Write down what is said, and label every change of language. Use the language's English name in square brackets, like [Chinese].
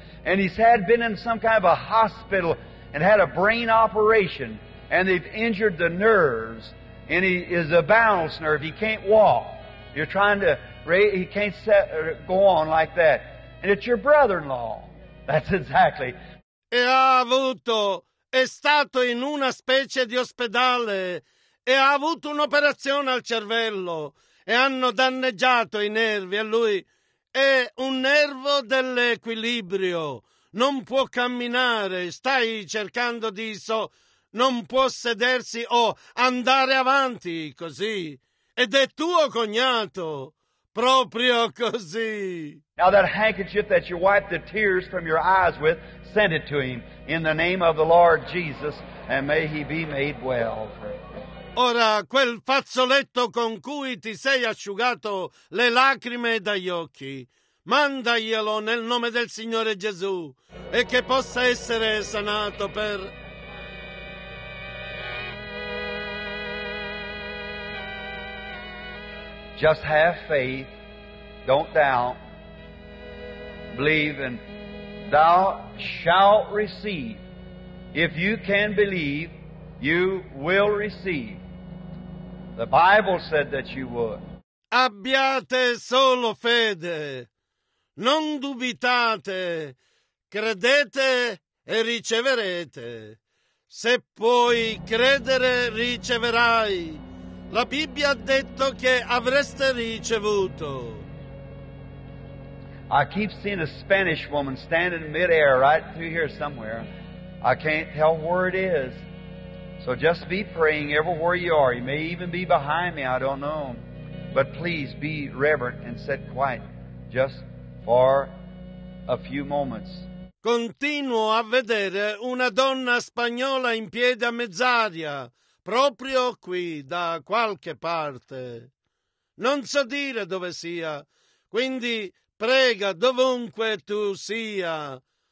[English] And he's had been in some kind of a hospital and had a brain operation. And they've injured the nerves. And he is a balance nerve. He can't walk. You're trying to... He can't set, go on like that. And it's your brother-in-law. That's exactly... [Italian] E ha avuto... È stato in una specie di ospedale. E ha avuto un'operazione al cervello. E hanno danneggiato i nervi. E lui... È un nervo dell'equilibrio. Non può camminare. Stai cercando di... Non può sedersi o andare avanti, così. Ed è tuo cognato, proprio così. [English] Now that handkerchief that you wiped the tears from your eyes with, send it to him in the name of the Lord Jesus, and may he be made well. [Italian] Ora, quel fazzoletto con cui ti sei asciugato le lacrime dagli occhi, mandaglielo nel nome del Signore Gesù e che possa essere sanato per... [English] Just have faith, don't doubt, believe, and thou shalt receive. If you can believe, you will receive. The Bible said that you would. [Italian] Abbiate solo fede, non dubitate, credete e riceverete. Se puoi credere, riceverai. La Bibbia ha detto che avreste ricevuto. [English] I keep seeing a Spanish woman standing in midair right through here somewhere. I can't tell where it is. So just be praying everywhere you are. You may even be behind me, I don't know. But please be reverent and sit quiet just for a few moments. [Italian] Continuo a vedere una donna spagnola in piedi a mezz'aria. Proprio qui, da qualche parte. Non so dire dove sia, quindi prega dovunque tu sia.